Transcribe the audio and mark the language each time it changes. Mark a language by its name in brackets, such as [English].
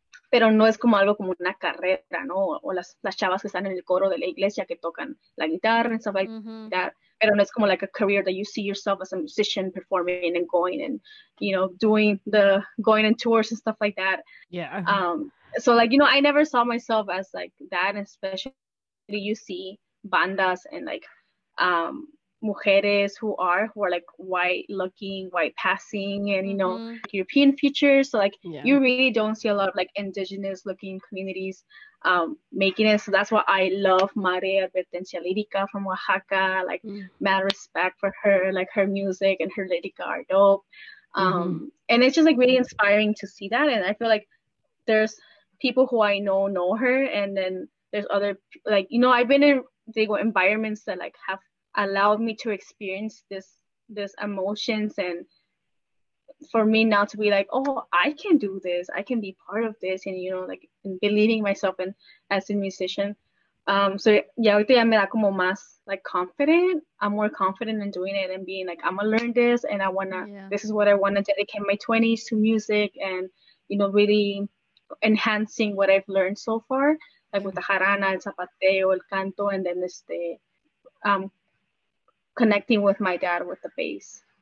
[Spanish] Pero no es como algo como una carrera, ¿no? O las chavas que están en el coro de la iglesia que tocan la guitarra [English] and stuff like that. [Spanish] Pero no es como [English] like a career that you see yourself as a musician performing and going and, you know, doing the going on tours and stuff like that. Yeah. So, like, you know, I never saw myself as like that, especially you see bandas and like [Spanish] mujeres [English] who are like white looking, white passing, and you know, European features. So like you really don't see a lot of like indigenous looking communities making it. So that's why I love Mare Advertencia Lirica from Oaxaca. Like mad respect for her, like her music and her lirica are dope. And it's just like really inspiring to see that. And I feel like there's people who I know her, and then there's other, like, you know, I've been in digo environments that like have allowed me to experience this emotions, and for me now to be like, oh, I can do this, I can be part of this, and you know, like, and believing myself in as a musician. [Spanish] So yeah, ahorita ya me da como más [English] like confident. I'm more confident in doing it and being like, I'm gonna learn this, and I wanna this is what I wanna dedicate my 20s to, music, and you know, really enhancing what I've learned so far, like with the jarana, el zapateo, el canto, and then this day, connecting with my dad with the bass.